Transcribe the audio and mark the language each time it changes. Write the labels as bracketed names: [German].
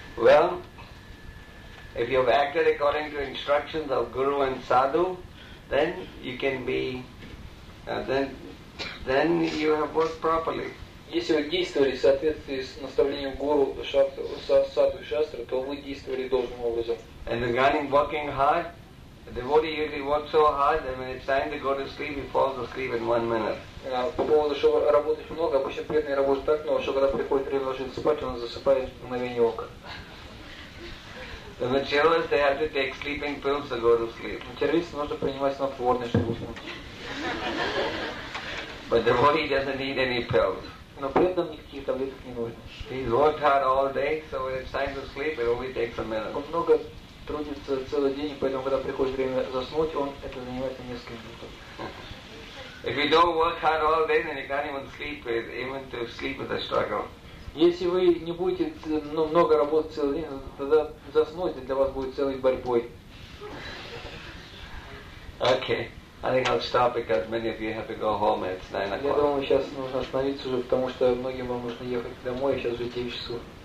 [English] If you have acted according to instructions of Guru and Sadhu, then you can be, then you have worked properly. [Russian] Если вы действовали в соответствии с наставлением Гуру, Садху и Шастры, то вы действовали должным образом. [English] And regarding working hard, the devotee usually works so hard that when it's time to go to sleep, he falls asleep in 1 minute. [Russian] По поводу, что работать много, обычно преданный работает так много, что когда приходит время ложиться спать, он засыпает в мгновение ока. [English] The materialists, they have to take sleeping pills to go to sleep. [Russian] Материалисты нужно принимать снотворные, чтобы уснуть. [English] But the body doesn't need any pills. [Russian] Но при этом никаких таблеток не нужно. [English] He's worked hard all day, so when it's time to sleep, it only takes a minute. [Russian] Он много трудится целый день, поэтому когда приходит время заснуть, он это занимает на несколько минут. [English] If you don't work hard all day, then you can't even sleep. Even to sleep is a struggle. [Russian] Если вы не будете много работать целый день, тогда заснуть для вас будет целой борьбой. [English] Okay. I think I'll stop because many of you have to go home. It's 9 o'clock. [Russian] Я думаю, сейчас нужно остановиться уже, потому что многим вам нужно ехать домой, сейчас уже 9 часов.